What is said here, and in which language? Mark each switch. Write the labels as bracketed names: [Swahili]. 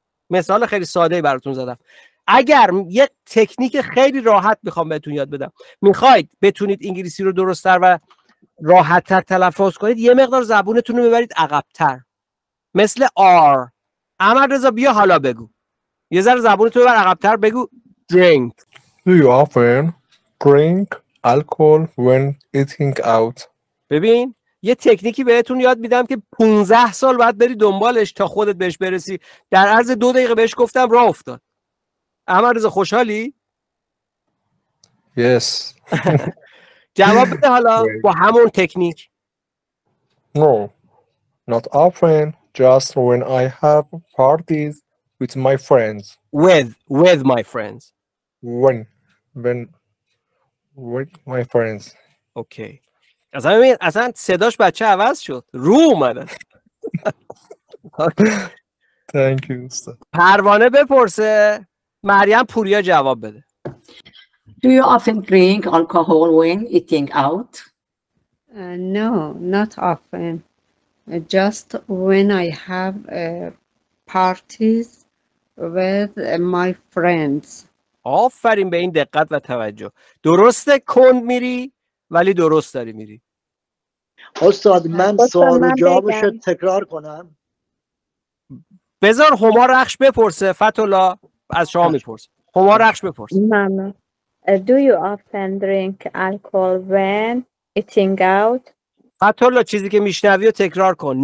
[Persian] مثال خیلی ساده براتون زدم. اگر یه تکنیک خیلی راحت میخوام بهتون یاد بدم، میخواید بتونید انگلیسی رو درست‌تر و راحت‌تر تلفظ کنید، یه مقدار زبونتون رو ببرید عقب‌تر، مثل آر. احمد رضا بیا حالا بگو، یه ذره زبونتون رو ببر عقب‌تر، بگو drink. [English] Do you often drink alcohol when eating out? [Persian] ببین یه تکنیکی بهتون یاد میدم که 15 سال بعد بری دنبالش تا خودت بهش برسی. در عرض 2 دقیقه بهش گفتم راه افتاد. احمد رضا خوشحالی؟ [English] Yes. [Persian] جواب بده حالا با همون تکنیک. [English] No, not often, just when I have parties with my friends. With my friends. When my friends. Okay. [Persian] اصلا ببین اصلا صداش بچه عوض شد. رو اومدن. [English] Thank you, استاد. [Persian] پروانه بپرسه. مریم پوریا جواب بده. [English] Do you often drink alcohol when eating out? No, not often. Just when I have parties with my friends. [Persian] آفرین به این دقت و توجه. درسته کند میری ولی درست داری میری. استاد من سوال و جواب شد تکرار کنم. بذار هما رخش بپرسه. فتولا از شما میپرس. هما رخش بپرس. [English] Do you often drink alcohol when eating out? [Persian] فتولا چیزی که میشنوی و تکرار کن.